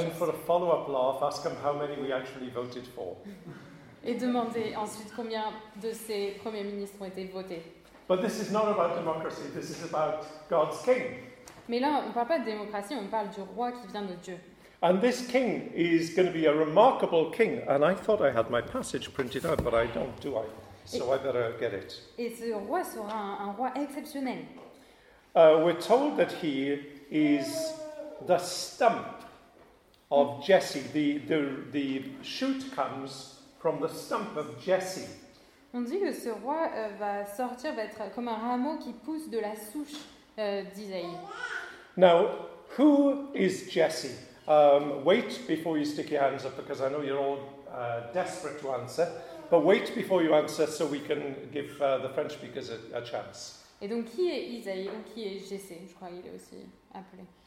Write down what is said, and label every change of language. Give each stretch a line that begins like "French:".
English: And then for a follow-up laugh, ask them how many we actually voted for.
French: Et demander ensuite combien de ces premiers ministres ont été votés.
English: But this is not about democracy, this is about God's king.
French: Mais là, on ne parle pas de démocratie, on parle du roi qui vient de Dieu.
English: And this king is going to be a remarkable king. And I thought I had my passage printed out, but I don't, do I? So I better get it.
French: Et ce roi sera un roi exceptionnel.
English: We're told that he is the stump of Jesse. The shoot comes from the stump of Jesse.
French: On dit que ce roi va être comme un rameau qui pousse de la souche d'Isaïe.
English: Now, who is Jesse? Wait before you stick your hands up, because I know you're all desperate to answer. But wait before you answer, so we can give the French speakers a chance.
French: Et donc, qui est Isaïe ou qui est Jesse? Je crois qu'il est aussi appelé.